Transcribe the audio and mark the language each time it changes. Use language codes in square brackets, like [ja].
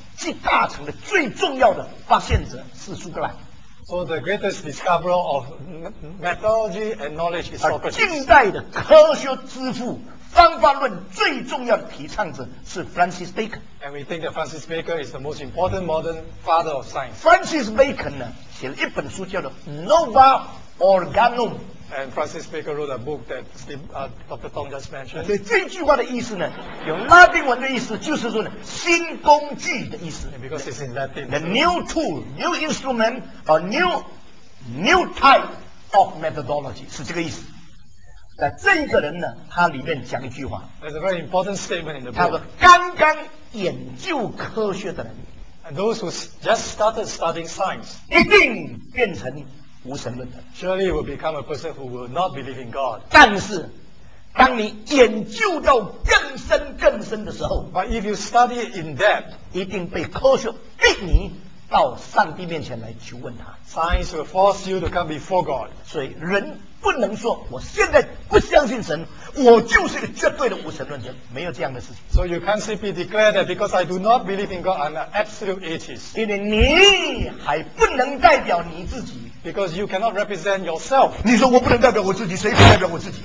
[zh] 集大成的最重要的发现者是苏格兰。So [en] the greatest discoverer of methodology and knowledge is Socrates. [zh] 而近代的科学之父方法论最重要的提倡者是 Francis Bacon. [en] And we think that Francis Bacon is the most important modern father of science. [zh] Francis Bacon 呢，写了一本书叫做 Nova Organum. [en] And Francis Bacon wrote a book that Dr. Tong just mentioned. [zh] 对这句话的意思呢，有拉丁文的意思，就是说呢，新工具的意思。 [en] Because it's in Latin. The new tool, new instrument, or new type of methodology [zh] 是这个意思。那这一个人呢，他里面讲一句话。There's [en] a very important statement in the book. [zh] 他说，刚刚研究科学的人，And [en] those who just started studying science, [zh] 一定变成 [en] Surely will become a person who will not believe in God. [zh] 但是，当你研究到更深更深的时候 [en] ，But if you study it in depth, [zh] 一定被科学逼你到上帝面前来去问他。 [en] Science will force you to come before God. [zh] 所以人不能说我现在不相信神，我就是个绝对的无神论者，没有这样的事情。 [en] So you can't simply declare that because I do not believe in God, I'm an absolute atheist. [zh] 因为你还不能代表你自己。 [en] Because you cannot represent yourself. [zh] 你说我不能代表我自己，谁不代表我自己？